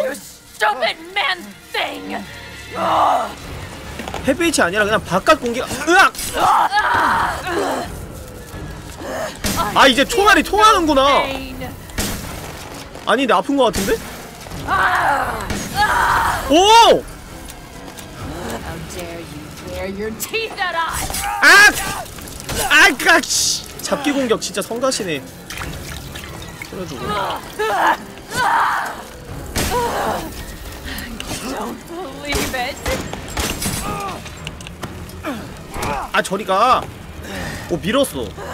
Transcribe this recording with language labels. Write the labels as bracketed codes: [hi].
[en] Stupid man thing. [ko] 햇빛이 아니라 그냥 바깥 공기가. 으악. 아 이제 총알이 통하는구나. 아니 근데 아픈 거 같은데? 오! [en] How dare you wear your teeth at us? [ko] 아! 아, 까치! 잡기 공격 진짜 성가시네. 때려주고. [en] Don't believe it. [ko] 아, 저리 가. 오, 밀었어.